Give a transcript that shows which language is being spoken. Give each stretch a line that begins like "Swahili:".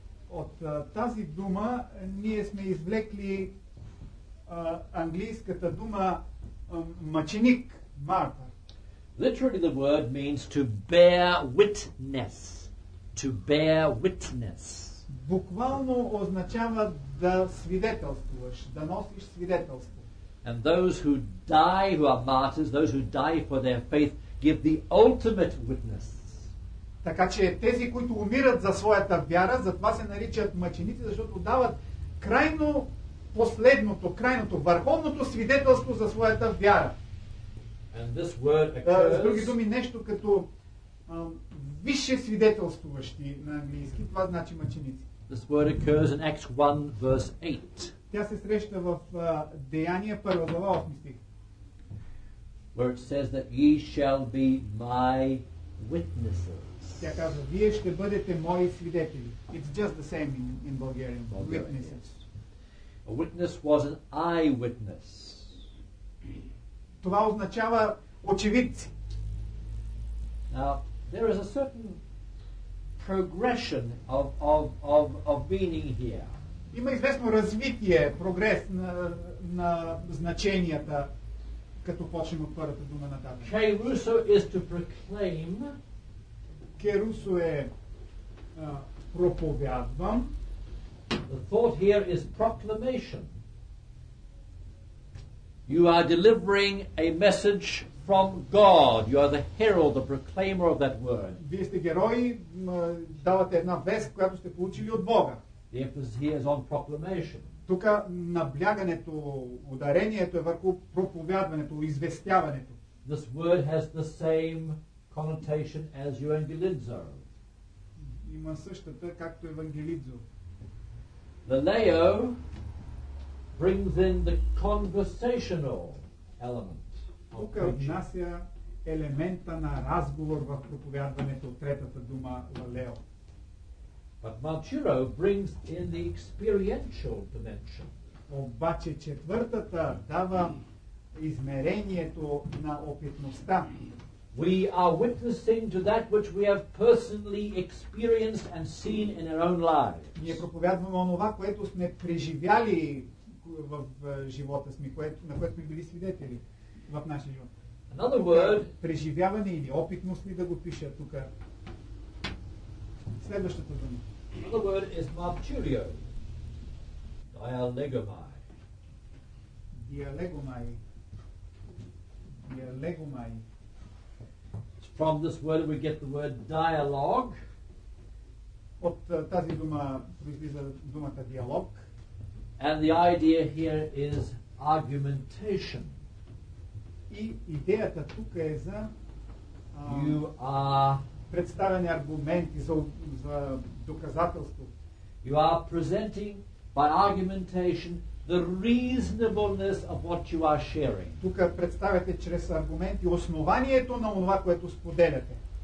Bulgarian: От тази дума ние сме извлекли английската дума мъченик, мартър.
English: Literally the word means to bear witness. To bear witness.
Bulgarian: Буквално означава да свидетелствуваш, да носиш свидетелство.
English: And those who die, who are martyrs, those who die for their faith, give the ultimate witness.
Bulgarian: Така че тези, които умират за своята вяра, затова се наричат мъченици, защото дават крайно последното, крайното, върховното свидетелство за своята вяра.
English: And this word occurs...
Bulgarian: С други думи, нещо като висше свидетелствуващи на английски, това значи мъченици.
English: This word occurs in Acts 1, verse 8.
Bulgarian: Тя се среща в Деяния, 1 глава, 8 стих.
English: Where it says that ye shall be my witnesses.
Bulgarian: Тя казва, вие ще бъдете мои свидетели.
English: It's just the same in Bulgarian. Witnesses. Yes. A witness was an eyewitness.
Bulgarian: Това означава очевидци.
English: Now, there is a certain progression of meaning here.
Bulgarian: Има известно развитие, прогрес на значенията, като почнем от първата дума на тази.
English: Caruso is to proclaim.
Bulgarian: Caruso е проповядвам.
English: The thought here is proclamation. You are delivering a message from God. You are the herald, the proclaimer of that word.
Bulgarian: Вие сте герои, давате една вест, която сте получили от Бога.
English: The emphasis here is on proclamation.
Bulgarian: Тук наблягането, ударението е върху проповядването, известяването.
English: This word has the same connotation as evangelizo.
Bulgarian: Има същата както евангелизо.
English: The leo brings in the conversational element.
Bulgarian: Тук внася елемента на разговор в проповядването, третата дума лалео.
English: But Martyro brings in the experiential dimension.
Bulgarian: Обаче четвъртата дава измерението на опитността.
English: We are witnessing to that which we have personally experienced and seen in our own lives.
Bulgarian: Ние проповядваме онова, което сме преживяли в живота сме, на което сме били свидетели в нашия живот.
English: Another word,
Bulgarian: преживяване или опитност ли да го пиша тук. Следващата дума.
English: Another word is martyrio. Dialegomai. Dialegomai. Dialegomai. From this word we get the word dialogue.
Bulgarian: От тази дума произлиза думата диалог.
English: And the idea here is argumentation.
Bulgarian: И идеята тук е за
English: You are
Bulgarian: представени аргументи за, за доказателство.
English: You are presenting by argumentation the reasonableness of what you are sharing.
Bulgarian: Тука представяте чрез аргументи основанието на онова, което споделяте.